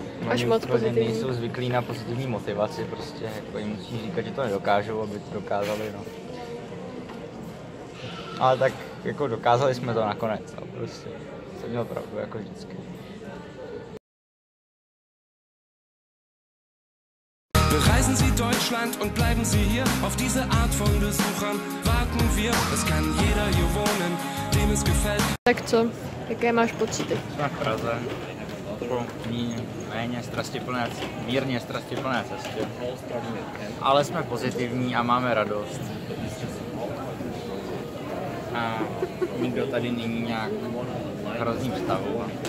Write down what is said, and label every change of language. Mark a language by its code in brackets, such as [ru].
[cs] Až moc pozitivní. Nejsou zvyklí na pozitivní motivaci, prostě jako jim musí říkat, že to nedokážou, aby to dokázali, no. Ale tak jako dokázali jsme to nakonec, no, prostě. Jsem měl pravdu, jako vždycky. [de] Bereisen Sie Deutschland und bleiben Sie hier. Auf diese Art von Besuchern warten wir. Es kann jeder hier wohnen, dem es gefällt. [cs] Tak co, jaké máš pocity? Jsme v Praze. Míně, méně strastiplné, mírně strastiplné cestě. Ale jsme pozitivní a máme radost. A nikdo tady není nějak v hrozným stavu.